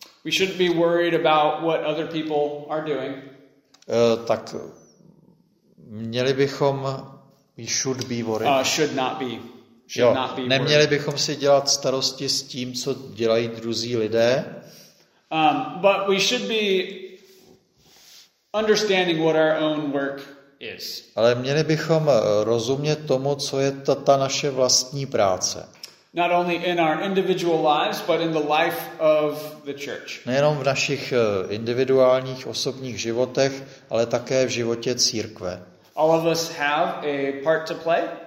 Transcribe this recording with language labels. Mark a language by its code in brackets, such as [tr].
[en] We shouldn't be worried about what other people are doing. [cs] Tak měli bychom, [en] we should be worried. Should not be [cs] Jo, neměli bychom si dělat starosti s tím, co dělají druzí lidé. [en] But we should be understanding what our own work is. [cs] Ale měli bychom rozumět tomu, co je ta naše vlastní práce. [en] Not only in our individual lives, but in the life of the church. [cs] Nejenom v našich individuálních osobních životech, ale také v životě církve. [en] All of us have a part to play.